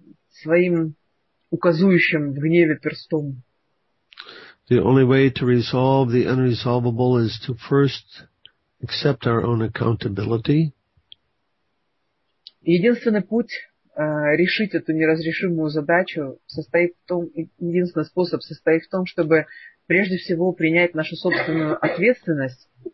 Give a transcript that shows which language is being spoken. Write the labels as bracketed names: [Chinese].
[Russian] Своим указующим в гневе перстом. [English] The only way to resolve the unresolvable is to first accept our own accountability. [Russian] Единственный путь решить эту неразрешимую задачу состоит в том, единственный способ состоит в том, чтобы прежде всего принять нашу собственную ответственность.